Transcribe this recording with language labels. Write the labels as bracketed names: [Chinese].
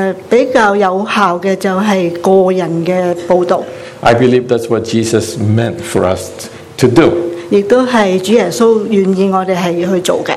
[Chinese] 比较有效的就是个人的报道。 [English] I believe that's what Jesus meant for us to do. [Chinese] 亦都是主耶稣愿意我们去做的。